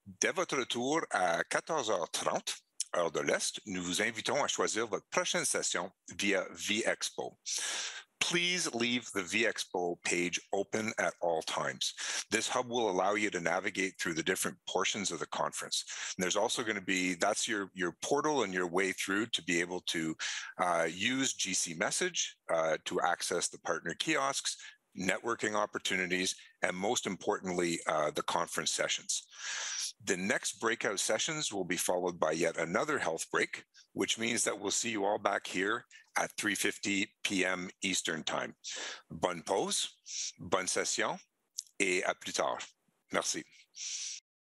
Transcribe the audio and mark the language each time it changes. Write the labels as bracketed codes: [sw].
[fr] Dès votre retour à 14h30, heure de l'Est, nous vous invitons à choisir votre prochaine session via VExpo. [en] Please leave the VExpo page open at all times. This hub will allow you to navigate through the different portions of the conference. And there's also going to be, that's your portal and your way through to be able to use GC Message to access the partner kiosks, networking opportunities, and most importantly, the conference sessions. The next breakout sessions will be followed by yet another health break, which means that we'll see you all back here at 3:50 p.m. Eastern time. [fr] Bonne pause, bonne session, et à plus tard. Merci.